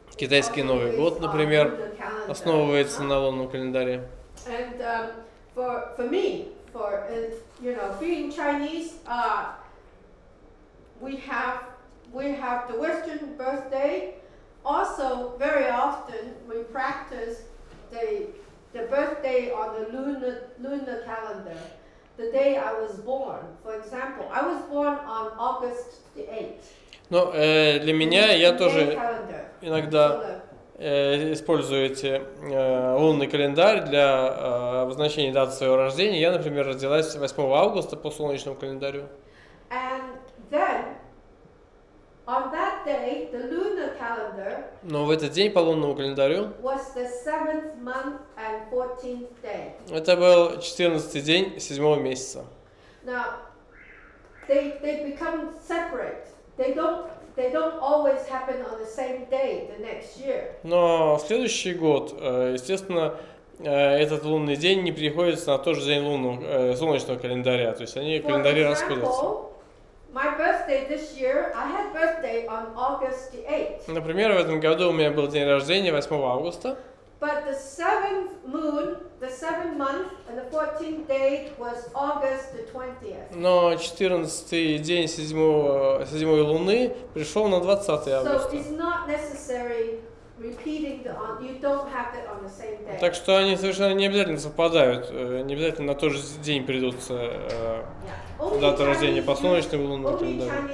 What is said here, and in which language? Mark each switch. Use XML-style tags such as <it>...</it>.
<ru>Китайский Новый год, например, основывается на лунном календаре.</ru> <en>And for me, being Chinese, we have the Western birthday. Also, very often we practice the birthday on the lunar calendar, the day I was born. For example, I was born on August the 8th.</en> <ru>Но для меня я тоже иногда используете лунный календарь для обозначения даты своего рождения. Я, например, родилась 8 августа по солнечному календарю.</ru> <en>And then, on that day, the lunar calendar.</en> <ru>Но в этот день по лунному календарю.</ru> <en>Was the 7th month and 14th day.</en> <ru>Это был 14-й день 7-го месяца.</ru> <en>Now, they become separate. They don't always happen on the same day the next year.</en> <ru>Но в следующий год, естественно, этот лунный день не приходится на тот же день лунного солнечного календаря. То есть они календари расходятся.</ru> <en>My birthday this year, I had birthday on August the 8th.</en> <ru>Например, в этом году у меня был день рождения 8 августа.</ru> <en>But the 7th moon, the 7th month, and the 14th day was August the 20th.</en> <ru>Но 14-й день 7-й луны пришел на 20 августа.</ru> <en>So it's not necessary repeating the you don't have it on the same day.</en> <ru>Так что они совершенно не обязательно совпадают, не обязательно на тот же день придутся. Дата рождения по солнечному лунному календарю.</ru>